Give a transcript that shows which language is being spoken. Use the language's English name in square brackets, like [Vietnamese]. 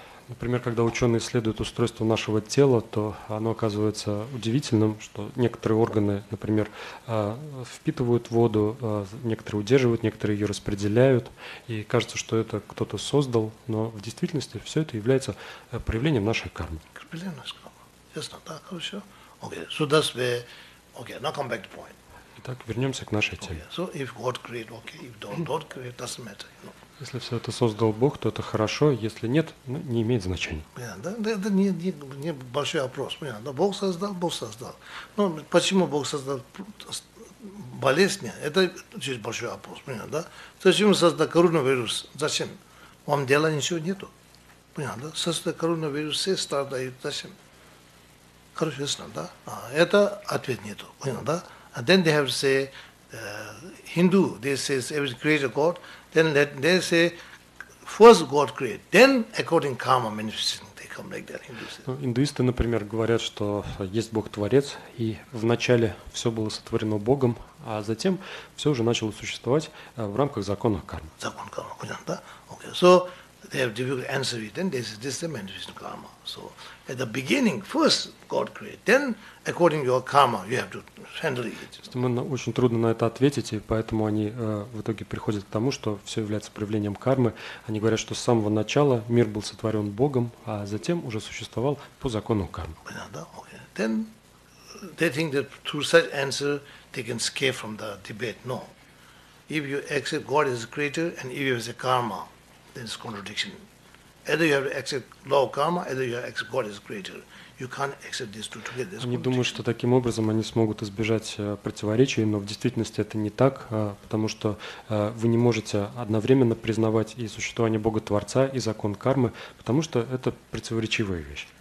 [Russian] Например, когда ученые исследуют устройство нашего тела, то оно оказывается удивительным, что некоторые органы, например, впитывают воду, некоторые удерживают, некоторые ее распределяют, и кажется, что это кто-то создал, но в действительности все это является проявлением нашей кармы. Проявлением нашей кармы. Ясно, так, хорошо. [English] Okay, so that's where, okay, now come back to point. [Russian] Итак, вернемся к нашей теме. [English] Okay, so if God created, okay, if don't create, doesn't matter, you know. [Russian] Если все это создал Бог, то это хорошо. Если нет, ну, не имеет значения. Понятно, да? Это не большой вопрос. Понятно, да? Бог создал, Бог создал. Но почему Бог создал болезнь? Это очень большой вопрос. Понятно, да? Зачем создал коронавирус? Зачем? Вам дела ничего нету. Понятно, да? Создал коронавирус, все страдают. Зачем? Хорошо, ясно, да? А это ответ нету. Понятно, да? [English] And then they have to say, Hindu, they say, every creator God, then they say, first God created, then according karma manifesting. [Russian] Индуисты, например, говорят, что есть Бог-творец, и вначале все было сотворено Богом, а затем все уже начало существовать в рамках закона кармы. Закон кармы, понятно, да? Okay. [English] So, they have difficult answer it, then this is the manifestation of karma. So, at the beginning, first God created, then according to your karma, you have to handle it. [Russian] Очень трудно на это ответить, и поэтому они в итоге приходят к тому, что все является проявлением кармы. Они говорят, что с самого начала мир был сотворен Богом, а затем уже существовал по закону кармы. Понятно, okay. [English] Then, they think that through such answer, they can escape from the debate. No. If you accept God as a creator, and if you have a karma, then it's contradiction. Either you have to accept law of karma, either you have to accept God as creator. You can't accept these two together. [Russian] Они думают, что таким образом они смогут избежать противоречий, но в действительности это не так, потому что вы не можете одновременно признавать и существование Бога Творца, и закон кармы, потому что это противоречивая вещь.